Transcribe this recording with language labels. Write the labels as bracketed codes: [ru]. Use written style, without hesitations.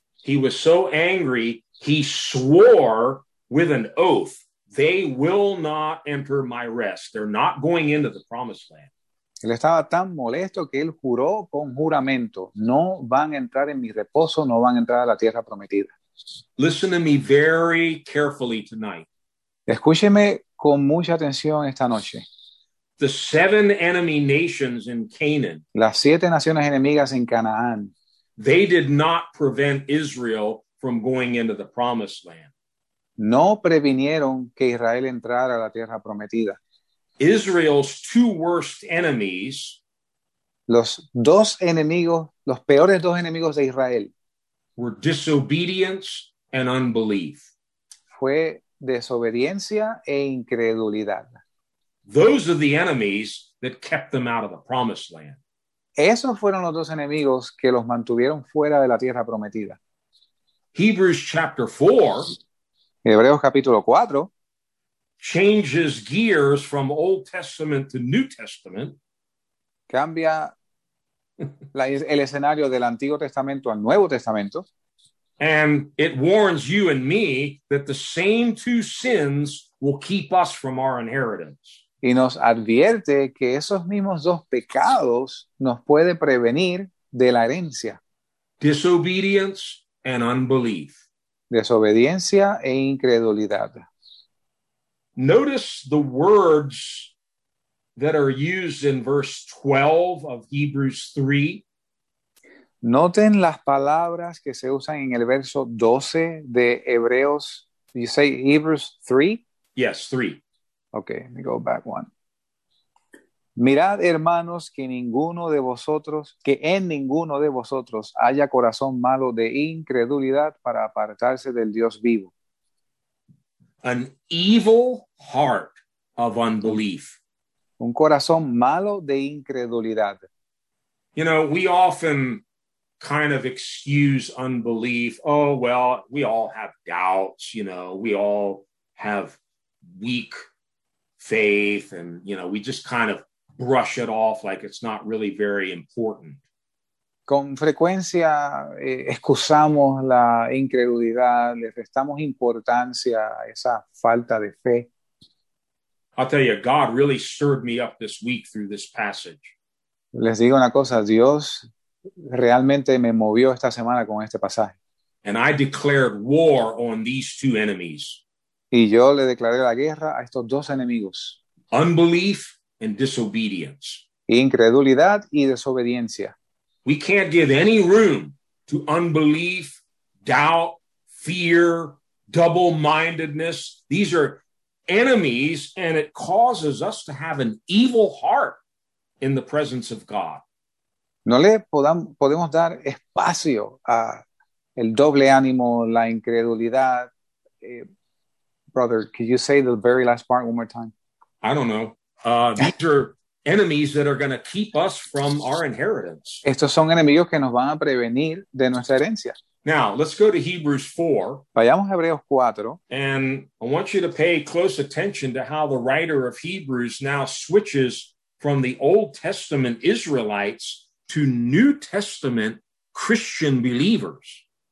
[en] He was so angry, he swore with an oath, they will not enter my rest. They're not going into the promised land. [es] Él estaba tan molesto que él juró con juramento, no van a entrar en mi reposo, no van a entrar a la tierra prometida. [en] Listen to me very carefully tonight. [es] Escúcheme con mucha atención esta noche. [en] The seven enemy nations in Canaan. [es] Las siete naciones enemigas en Canaán. [en] They did not prevent Israel from going into the promised land. [es] No previnieron que Israel entrara a la tierra prometida. [en] Israel's two worst enemies. [es] Los dos enemigos, los peores dos enemigos de Israel. [en] Were disobedience and unbelief. [es] Fue desobediencia e incredulidad. [en] Those are the enemies that kept them out of the promised land. [es] Esos fueron los dos enemigos que los mantuvieron fuera de la tierra prometida. [en] Hebrews chapter 4. [es] Hebreos capítulo 4. [en] Changes gears from Old Testament to New Testament. [es] Cambia el escenario del Antiguo Testamento al Nuevo Testamento. [en] And it warns you and me that the same two sins will keep us from our inheritance. [es] Y nos advierte que esos mismos dos pecados nos puede prevenir de la herencia. [en] Disobedience and unbelief. [es] Desobediencia e incredulidad. [en] Notice the words that are used in verse 12 of Hebrews 3. [es] Noten las palabras que se usan en el verso 12 de Hebreos. [en] You say Hebrews 3? Yes, 3. Okay, let me go back one. [es] Mirad, hermanos, que en ninguno de vosotros haya corazón malo de incredulidad para apartarse del Dios vivo. [en] An evil heart of unbelief. [es] Un corazón malo de incredulidad. [en] You know, we often kind of excuse unbelief. Oh, well, we all have doubts, you know, we all have weak faith, and you know, we just kind of brush it off like it's not really very important. [es] Con frecuencia excusamos la incredulidad, le restamos importancia a esa falta de fe. [en] I'll tell you, God really stirred me up this week through this passage. [es] Les digo una cosa, Dios realmente me movió esta semana con este pasaje. [en] And I declared war on these two enemies. [es] Y yo le declaré la guerra a estos dos enemigos. [en] Unbelief and disobedience. [es] Incredulidad y desobediencia. [en] We can't give any room to unbelief, doubt, fear, double-mindedness. These are enemies, and it causes us to have an evil heart in the presence of God. [es] No le podemos dar espacio a el doble ánimo, la incredulidad. [en] Brother, could you say the very last part one more time? I don't know. These are enemies that are going to keep us from our inheritance. [es] Estos son enemigos que nos van a prevenir de nuestra herencia. [en] Now, let's go to Hebrews 4. [es] Vayamos a Hebreos 4. [en] And I want you to pay close attention to how the writer of Hebrews now switches from the Old Testament Israelites to New Testament Christian believers.